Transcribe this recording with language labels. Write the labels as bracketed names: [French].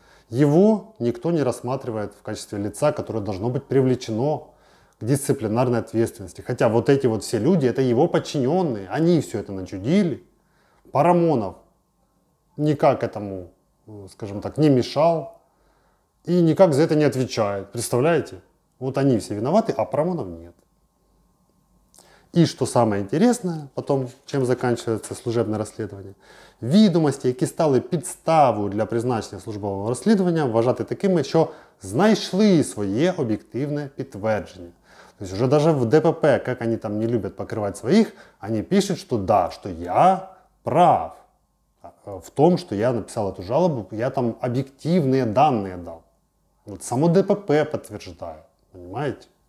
[Russian] Его никто не рассматривает в качестве лица, которое должно быть привлечено дисциплинарной ответственности. Хотя вот эти вот все люди, это его подчиненные, они все это начудили. Парамонов никак этому, скажем так, не мешал и никак за это не отвечает. Представляете? Вот они все виноваты, а Парамонов нет. И что самое интересное, потом, чем заканчивается служебное расследование, ведомости, [Ukrainian] які стали підставою для призначення службового расследования, вважати такими, що знайшли своє об'єктивне підтвердження. [Russian] То есть уже даже в ДПП, как они там не любят покрывать своих, они пишут, что да, что я прав в том, что я написал эту жалобу, я там объективные данные дал. Вот само ДПП подтверждает, понимаете?